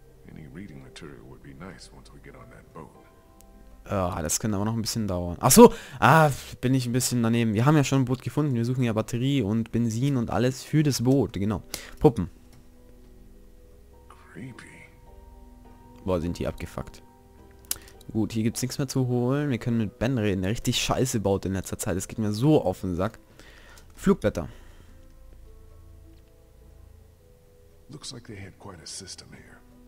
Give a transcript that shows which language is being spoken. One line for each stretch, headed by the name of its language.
English: Any reading material would be nice once we get on that boat.
German: Oh, das könnte aber noch ein bisschen dauern. Achso, bin ich ein bisschen daneben. Wir haben ja schon ein Boot gefunden. Wir suchen ja Batterie und Benzin und alles für das Boot. Genau. Puppen. Creepy. Boah, sind die abgefuckt. Gut, hier gibt's nichts mehr zu holen. Wir können mit Ben reden, der richtig scheiße baut in letzter Zeit. Das geht mir so auf den Sack. Flugblätter.
English: Looks like they had quite a system here.